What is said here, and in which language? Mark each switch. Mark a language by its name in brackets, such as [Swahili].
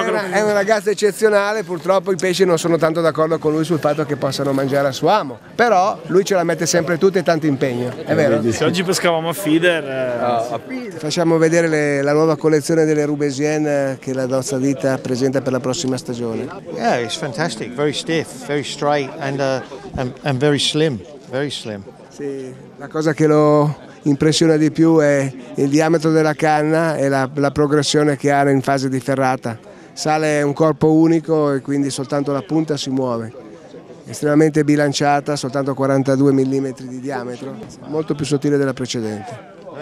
[Italian] È un ragazzo eccezionale, purtroppo i pesci non sono tanto d'accordo con lui sul fatto che possano mangiare a suo amo, però lui ce la mette sempre tutta e tanto impegno, è vero? Se oggi pescavamo a feeder, facciamo vedere la nuova collezione delle rubesienne che la nostra ditta presenta per la prossima stagione. [English] Yeah, it's fantastic, very stiff, very straight and very slim. Very slim. [Italian] Sì, la cosa che lo impressiona di più è il diametro della canna e la progressione che ha in fase di ferrata. Sale un corpo unico e quindi soltanto la punta si muove. Estremamente bilanciata, soltanto 42 mm di diametro, molto più sottile della precedente.